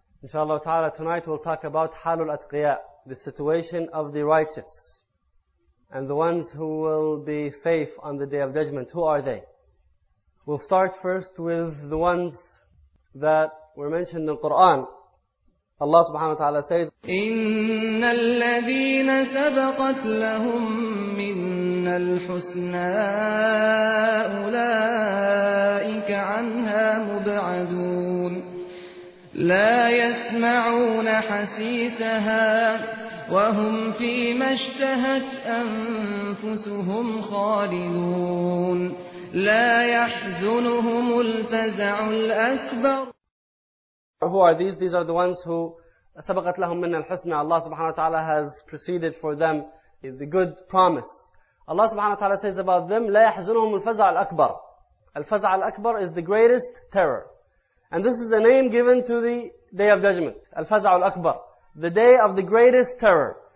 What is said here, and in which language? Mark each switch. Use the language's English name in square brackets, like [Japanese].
[English] Inshallah ta'ala, tonight we'll talk about halul atqiya, the situation of the righteous and the ones who will be safe on the Day of Judgment. Who are they? We'll start first with the ones that were mentioned in the Quran. Allah subhanahu wa ta'ala says, [Arabic] إِنَّ الَّذِينَ سَبَقَتْ لَهُمْ مِنَّ الْحُسْنَى أُولَٰئِكَ عَنْهَا مُبْعَدُونَ لا يسمعون حسيسها وهم فيما اشتهت أنفسهم خالدون لا يحزنهم الفزع الأكبر. [English] Who are these? These are the ones who [Arabic] سبقت لهم من الحسنى. [English] Allah subhanahu wa ta'ala has preceded for them the good promise. Allah subhanahu wa ta'ala says about them, [Arabic] لا يحزنهم الفزع الأكبر. الفزع الأكبر [English] is the greatest terror. And this is a name given to the Day of Judgment, Al-Faza' al-Akbar, the day of the greatest terror.